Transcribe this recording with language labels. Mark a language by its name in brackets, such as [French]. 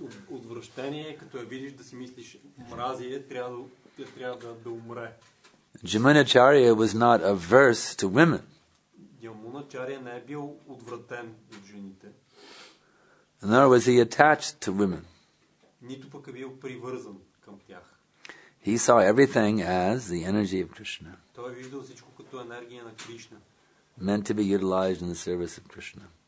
[Bulgarian] Отвращение, като я видиш да си мислиш мразие, трябва да умре. [English] Jamanacharya was not averse to women. [Bulgarian] Jamanacharya не е бил отвратен от жените. [English] Nor was he attached to women. [Bulgarian] Нито пък е бил привързан към тях. [English] He saw everything as the energy of Krishna. [Bulgarian] Той виждал всичко като енергия на Кришна. [English] Meant to be utilized in the service of Krishna.